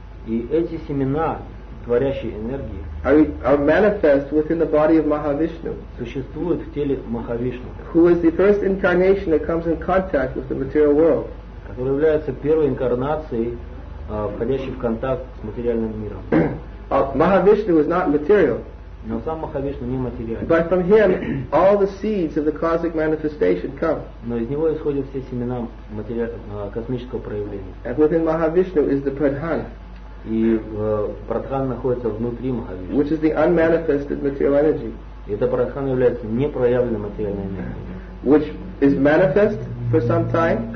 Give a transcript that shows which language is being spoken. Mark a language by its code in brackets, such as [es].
[ru] И эти семена творящей энергии [en] are manifest within the body of Mahavishnu, [ru] существуют в теле Махавишну, [en] who is the first incarnation that comes in contact with the material world, [ru] который является первой инкарнацией, входящей в контакт с материальным миром. [en] Mahavishnu is not material. [ru] Но сам Махавишну не материален. [en] But from him all the seeds of the cosmic manifestation come. [ru] Но из него исходят все семена космического проявления. [en] And within Mahavishnu is the Pradhana. [ru] И Прадхана находится внутри Махавишны. [en] Which is the unmanifested material energy. [ru] И эта Прадхана является непроявленной материальной энергией. [en] Which is manifest for some time.